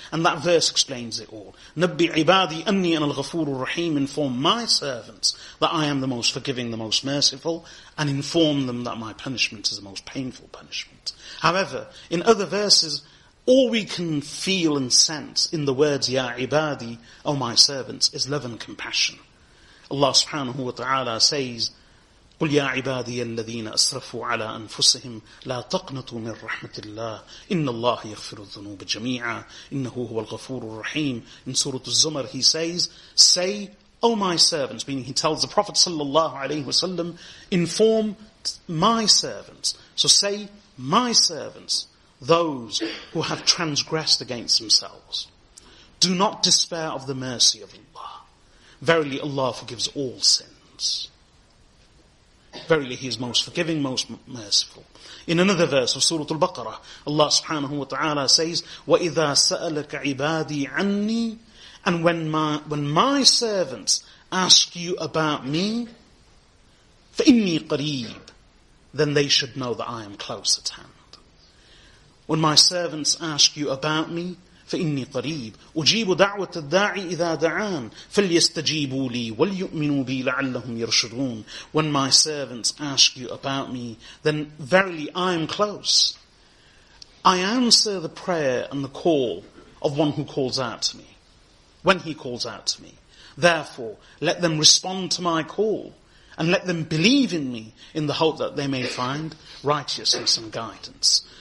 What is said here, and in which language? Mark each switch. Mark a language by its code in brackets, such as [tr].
[en] And that verse explains it all. [ar] Nabbi ibadi anni anal ghafoor rahim, [en] inform my servants that I am the most forgiving, the most merciful, and inform them that my punishment is the most painful punishment. However, in other verses, all we can feel and sense in the words ya ibadi, O my servants, is love and compassion. [ar] Allah subhanahu wa ta'ala says, قُلْ يَا عِبَادِيَ الَّذِينَ أَسْرَفُوا عَلَىٰ أَنفُسِهِمْ لَا تَقْنَطُوا مِنْ رَحْمَةِ اللَّهِ إِنَّ اللَّهَ يَغْفِرُ الذُّنُوبَ جَمِيعًا إِنَّهُ هُوَ الْغَفُورُ الرَّحِيمُ. [en] In Surah Az-Zumar, he says, say, O my servants, meaning he tells the Prophet sallallahu alayhi wasallam, inform my servants. So say, my servants, those who have transgressed against themselves, do not despair of the mercy of Allah. Verily Allah forgives all sins. Verily, He is most forgiving, most merciful. In another verse of Surah Al-Baqarah, Allah subhanahu wa ta'ala says, [ar] وَإِذَا سَأَلَكَ عِبَادِي عَنِّي, [en] and when my servants ask you about me, [ar] فَإِنِّي قَرِيب, [en] then they should know that I am close at hand. When my servants ask you about me, [ar] فَإِنِّي قَرِيب, أُجِيبُ دَعْوَةَ الدَّاعِ إِذَا دَعَان فَلْيَسْتَجِيبُوا لِي وَلْيُؤْمِنُوا بِي لَعَلَّهُمْ يَرْشُدُونَ. [en] When my servants ask you about me, then verily I am close. I answer the prayer and the call of one who calls out to me, when he calls out to me. Therefore, let them respond to my call, and let them believe in me, in the hope that they may find righteousness and guidance.